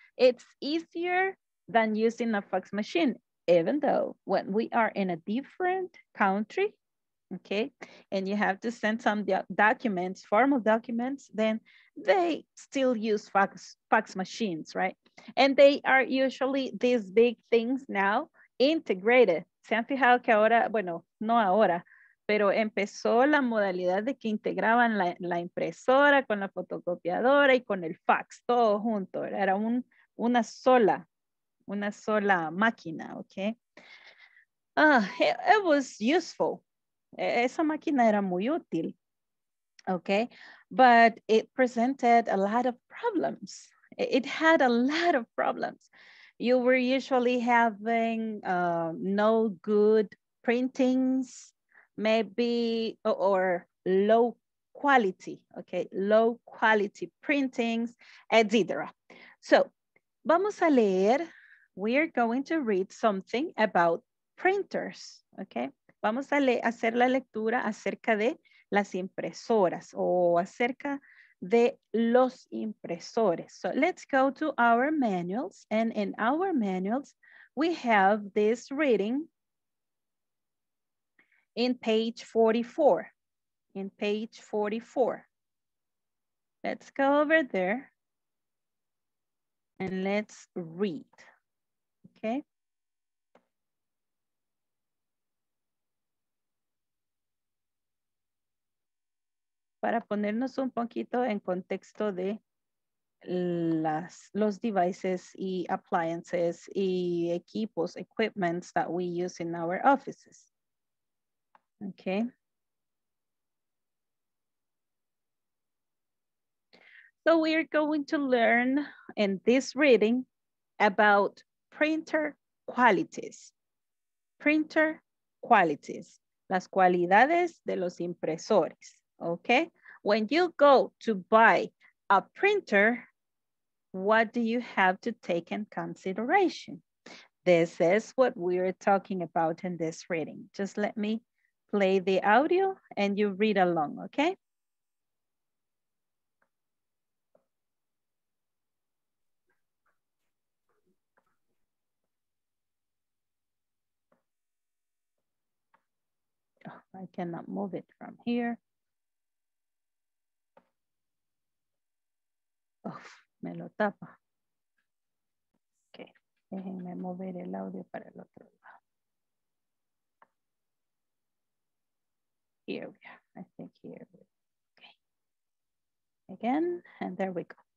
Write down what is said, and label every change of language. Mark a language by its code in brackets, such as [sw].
[en] It's easier than using a fax machine, even though when we are in a different country, okay? And you have to send some documents, formal documents, then they still use fax machines, right? And they are usually these big things now integrated. [es] Se han fijado que ahora, bueno, no ahora, pero empezó la modalidad de que integraban la impresora con la fotocopiadora y con el fax, todo junto. Era una sola máquina, okay? [en] It was useful. [es] Esa máquina era muy útil, okay? [en] But it presented a lot of problems. It had a lot of problems. You were usually having no good printings. maybe, or low quality, okay, low quality printings, etc. So, [es] vamos a leer, [en] we are going to read something about printers, okay? [es] Vamos a hacer la lectura acerca de las impresoras o acerca de los impresores. [en] So let's go to our manuals, and in our manuals, we have this reading in page 44. In page 44. Let's go over there and let's read, okay? [es] Para ponernos un poquito en contexto de los devices y appliances y equipos, [en] equipments that we use in our offices. [es] Okay. [en] So we are going to learn in this reading about printer qualities. Printer qualities, [es] las cualidades de los impresores, okay? [en] When you go to buy a printer, what do you have to take in consideration? This is what we are talking about in this reading. Just let me play the audio and you read along, okay? I cannot move it from here. [es] Uf, me lo tapa. Okay, déjenme mover el audio para el otro lado. [en] Here we are, I think here we are. Okay. Again, and there we go.